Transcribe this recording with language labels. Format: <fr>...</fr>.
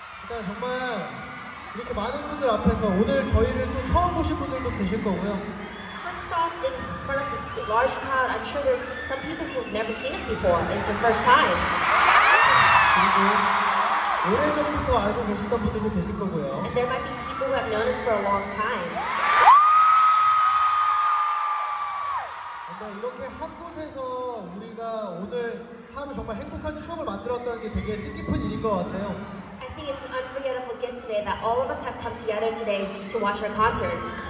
<ko>일단 정말 이렇게 많은 분들 앞에서 오늘 저희를 또 처음 보신 분들도 계실 거고요.</ko> <en>First off, in front of this large crowd, I'm sure there's some people who have never seen us before. It's your first time.</en> <ko>그리고 오래전부터 알고 계셨던 분들도 계실 거고요.</ko> <en>And there might be people who have known us for a long time.</en> <ko>근데 이렇게 한 곳에서 우리가 오늘 하루 정말 행복한 추억을 만들었다는 게 되게 뜻깊은 일인 것 같아요.</ko> <en>I think it's an unforgettable gift today that all of us have come together today to watch our concert.</en>